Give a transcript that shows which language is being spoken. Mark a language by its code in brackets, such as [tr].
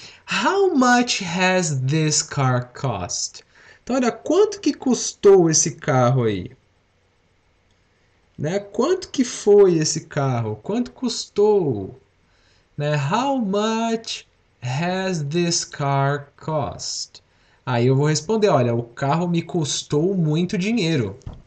[en] How much has this car cost? [pt] Então, olha, quanto que custou esse carro aí? Né? Quanto que foi esse carro? Quanto custou? Né? [en] How much has this car cost? [pt] Aí eu vou responder, olha, o carro me custou muito dinheiro.